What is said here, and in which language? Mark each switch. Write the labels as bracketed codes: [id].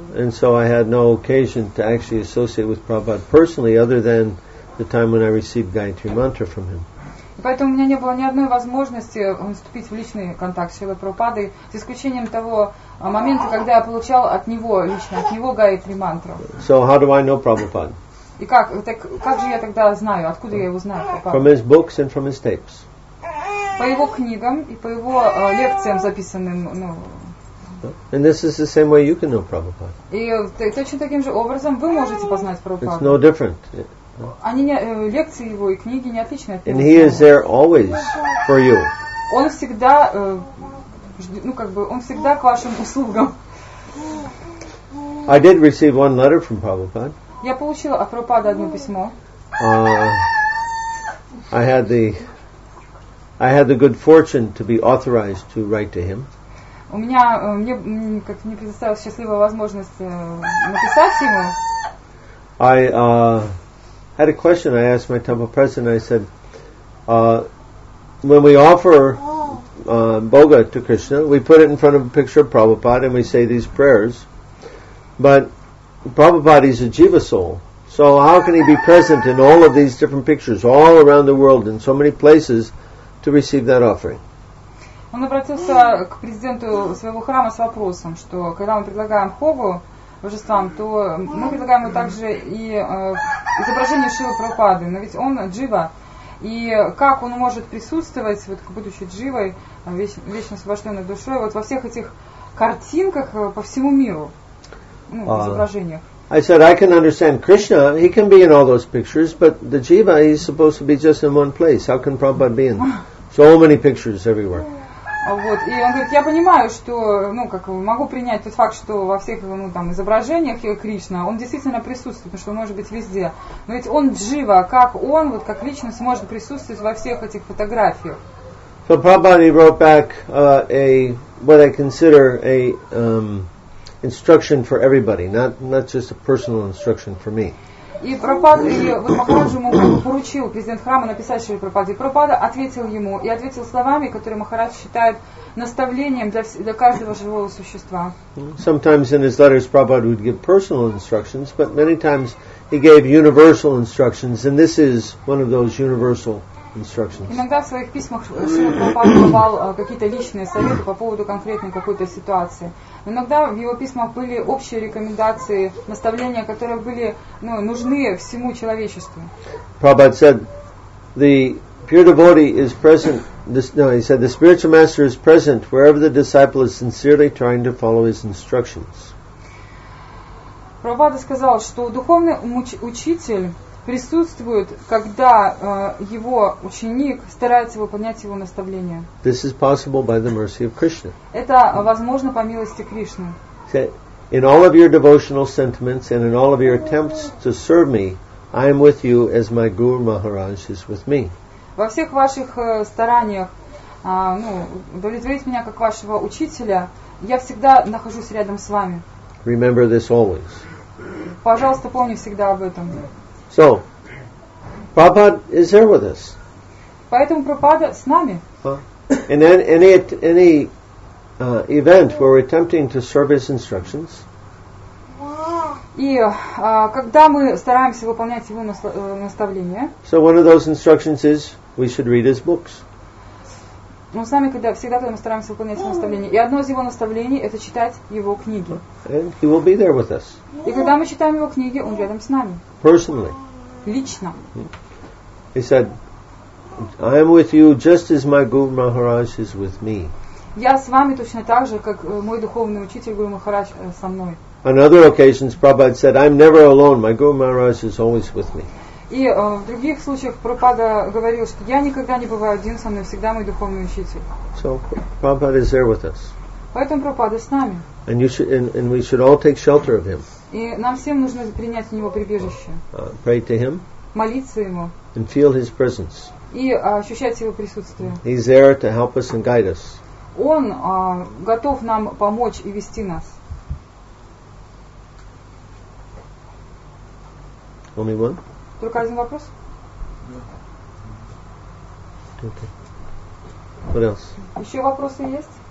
[en] And so I had no occasion to actually associate with Prabhupada personally, other than the time when I received Gayatri Mantra from him. [ru] И поэтому у меня не было ни одной возможности вступить в личный контакт с Шрилой Прабхупадой, с исключением того момента, когда я получал от него лично, от него Гайатри Мантру. [en] So how do I know Prabhupada? [ru] И как, так, как же я тогда знаю, откуда я его знаю? Прабхупада? [en] From his books and from his tapes. [ru] По его книгам и по его лекциям, записанным, ну... [en] And this is the same way you can know Prabhupada. [ru] И точно таким же образом вы можете познать Прабхупаду. [en] It's no different. [ru] Они лекции его и книги не отличны от него. [en] And he is there always for you. [ru] Он всегда, ну как бы, он всегда к вашим услугам. [en] I did receive one letter from Prabhupada. [ru] Я получила от Прабхупады одно письмо. [en] I had the good fortune to be authorized to write to him. [ru] У меня мне как не предоставилась счастливая возможность написать ему. [en] I had a question. I asked my temple president. I said, when we offer boga to Krishna, we put it in front of a picture of Prabhupada and we say these prayers. But Prabhupada is a jiva soul, so how can he be present in all of these different pictures all around the world in so many places to receive that offering? [ru] Он обратился к президенту своего храма с вопросом, что когда мы предлагаем богу божествам, то мы предлагаем ему также и изображение Шрилы Прабхупады, но ведь он джива, и как он может присутствовать, вот, будучи дживой, вечно освобожденной душой, вот во всех этих картинках по всему миру, ну, изображениях. [en] I said, I can understand Krishna, he can be in all those pictures, but the jiva, he's supposed to be just in one place. How can Prabhupada be in so many pictures everywhere? [ru] Вот. И он говорит, я понимаю, что, ну, как могу принять тот факт, что во всех, ну, там, изображениях Кришна, он действительно присутствует, потому что он может быть везде. Но ведь он джива, как он, вот как личность, может присутствовать во всех этих фотографиях? [en] So Prabhupada wrote back what I consider a instruction for everybody, not just a personal instruction for me. [ru] И Прабхупада, вот Махарадж ему поручил, президент храма, написать Шриле Прабхупаде. Прабхупада ответил ему и ответил словами, которые Махарадж считает наставлением для каждого живого существа. [en] Sometimes in his letters Prabhupada would give personal instructions, but many times he gave universal instructions, and this is one of those universal instructions. [ru] Иногда в своих письмах Шрила Прабхупада давал какие-то личные советы по поводу конкретной какой-то ситуации. Иногда в его письмах были общие рекомендации, наставления, которые были нужны всему человечеству. [en] Prabhupada said, the pure devotee is present. He said, the spiritual master is present wherever the disciple is sincerely trying to follow his instructions. [ru] Прабхупада сказал, что духовный учитель присутствует, когда его ученик старается выполнять его наставления. [en] This is possible by the mercy of Krishna. [ru] Это возможно по милости Кришны. [en] In all of your devotional sentiments and in all of your attempts to serve me, I am with you as my Guru Maharaj is with me. [ru] Во всех ваших стараниях удовлетворить меня как вашего учителя, я всегда нахожусь рядом с вами. [en] Remember this always. [ru] Пожалуйста, помни всегда об этом. [en] So, Prabhupada is here with us. [ru] Поэтому Прабхупада с нами. [en] And then any event where we're attempting to serve his instructions. [ru] И когда мы стараемся выполнять его наставления. [en] So one of those instructions is we should read his books. [ru] Мы сами когда мы стараемся выполнять его наставления. И одно из его наставлений — это читать его книги. [en] And he will be there with us. [ru] И когда мы читаем его книги, он рядом с нами. [en] Personally. [ru] Лично. [en] He said, I am with you just as my Guru Maharaj is with me. [ru] Я с вами точно так же, как мой духовный учитель Гуру Махарадж со мной. [en] On other occasions, Prabhupada said, I'm never alone. My Guru Maharaj is always with me. [ru] И в других случаях Прабхупада говорил, что я никогда не бываю один, со мной всегда мой духовный учитель. [en] So, Prabhupada is there with us. [ru] Поэтому Прабхупада с нами. [en] And, and we should all take shelter of him. [ru] И нам всем нужно принять у него прибежище. [en] Pray to him. [ru] Молиться ему. [en] And feel his presence. [ru] И ощущать его присутствие. [en] He's there to help us and guide us. [ru] Он готов нам помочь и вести нас. [en] Only one? [ru] Только один вопрос? [en] Okay. What else? [ru] Еще вопросы есть?